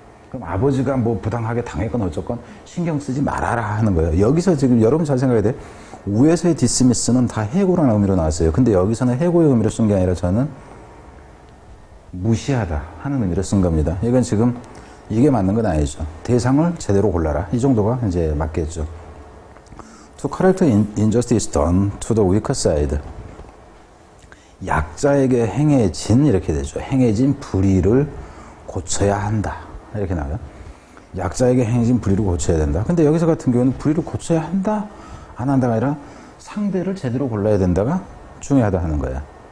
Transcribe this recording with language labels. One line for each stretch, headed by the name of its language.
Korean: 그럼 아버지가 뭐 부당하게 당했건 어쩌건 신경 쓰지 말아라 하는 거예요. 여기서 지금 여러분 잘 생각해야 돼. 우에서의 디스미스는 다 해고라는 의미로 나왔어요. 근데 여기서는 해고의 의미로 쓴 게 아니라 저는 무시하다 하는 의미로 쓴 겁니다. 이건 지금 이게 맞는 건 아니죠. 대상을 제대로 골라라. 이 정도가 이제 맞겠죠.
English: To correct injustice done to the weaker side.
Korean: 약자에게 행해진 이렇게 되죠. 행해진 불의를 고쳐야 한다. 이렇게 나와요. 약자에게 행해진 불의를 고쳐야 된다. 근데 여기서 같은 경우는 불의를 고쳐야 한다. 안 한다가 아니라 상대를 제대로 골라야 된다가 중요하다 하는 거야.